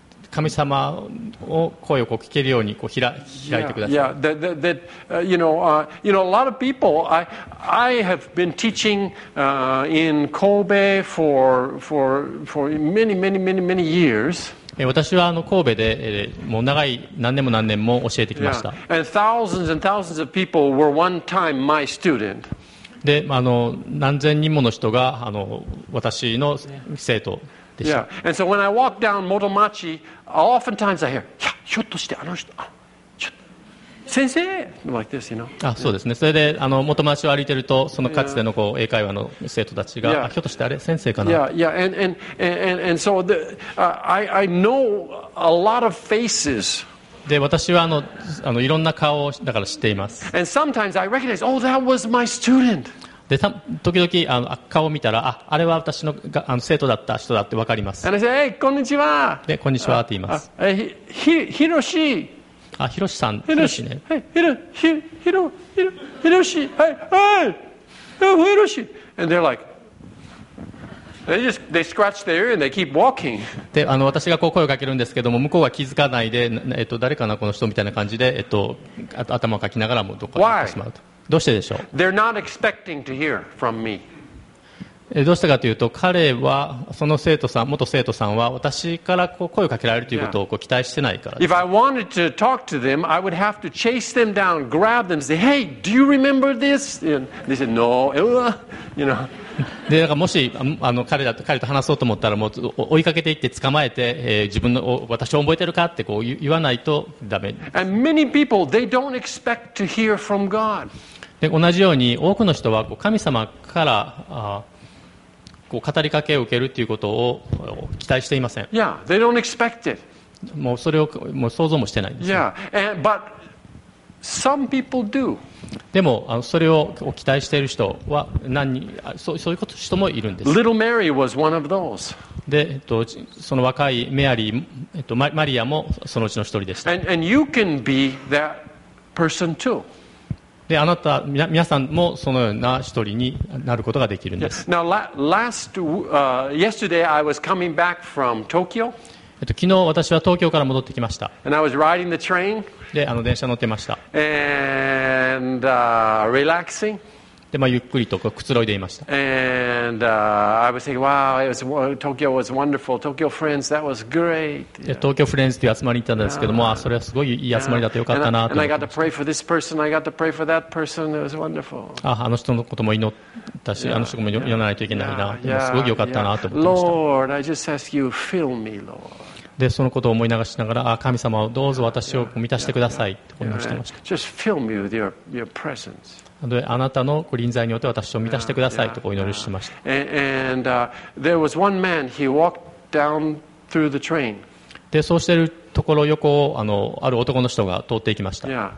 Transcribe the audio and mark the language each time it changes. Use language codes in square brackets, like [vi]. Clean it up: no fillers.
[ja] 神様を声をこう聞けるようにこう開いてください。 Yeah, yeah. [en] That, you know, a lot of people, I have been teaching in Kobe for many, many, many, many years. [ja] 私は神戸でもう長い何年も何年も教えてきました。 Yeah. [en] And thousands and thousands of people were one time my student. [ja] で何千人もの人が私の生徒。 [en] Yeah. And so when I walk down Motomachi, oftentimes I hear, yeah, [ja] ひょっとしてあの人、先生 [en] like this, you know. [ja] あ、そうですね。それで Motomachi を歩いてると、そのかつての英会話の生徒たちが、yeah. ひょっとしてあれ先生かな。 Yeah, yeah. [en] And so the, I know a lot of faces. [ja] で、私はいろんな顔をだから知っています。 [en] And sometimes I recognize, oh, that was my student. [ja] で時々顔を見たら あれは私 の, が生徒だった人だって分かります。 [en] And I say, hey, こんにちは。 [ja] でこんにちはって言います。ひろし。あ、ひろしさん。ひろしね。ひろし。はい。はい。ひろし。 [en] And they're like, they scratch their ear and they keep walking. [ja] で私がこう声をかけるんですけども、向こうは気づかないで、誰かなこの人みたいな感じで、頭をかきながらもどこかに行ってしまうと。 [en] Why? [ja] どうしてでしょう。 [en] They're not expecting to hear from me. [ja] どうしたかというと彼はその生徒さん元生徒さんは私からこう声をかけられるということをこう期待してないからです。 [en] If I wanted to talk to them, I would have to chase them down, grab them, say, hey, do you remember this? And they said, no, you know. [ja] でだからもし彼と話そうと思ったらもう追いかけていって捕まえて、自分の私を覚えてるかってこう言わないとダメ。 [en] And many people, they don't expect to hear from God. [ja] で同じように多くの人はこう神様からこう語りかけを受けるということを期待していません。 [en] Yeah, they don't expect it. [ja] もうそれをもう想像もしてないんです、ね、 [en] Yeah, and, but some people do. [ja] でもそれを期待している人は何人そういう人もいるんです。 [en] Little Mary was one of those. [ja] で、その若いメアリー、マリアもそのうちの一人でした。 [en] And you can be that person too. [ja] で、あなた、皆さんもそのような一人になることができるんです。 [en] Now, last, yesterday I was coming back from Tokyo. [ja] 昨日私は東京から戻ってきました。 [en] And I was riding the train. [ja] で、あの電車乗ってました。 [en] And, relaxing. [ja] で、まあ、ゆっくりとくつろいでいました。 [en] And, I was thinking, wow, it was, Tokyo was wonderful. Tokyo friends, that was great. [ja] で、東京フレンズという集まりに行ったんですけども、それはすごいいい集まりだってよかったなと。 [en] And I got to pray for this person. I got to pray for that person. It was wonderful. [ja] あの人のことも祈ったし、あの人も祈らないといけないな。すごいよかったなと思ってました。 [en] Lord, I just ask you, fill me, Lord. [ja] で、そのことを思い流しながら、ああ神様をどうぞ私を満たしてくださいと思いしてました。で、あなたの臨在によって私を満たしてくださいとお祈りしました。で、そうしているところ横をある男の人が通っていきました。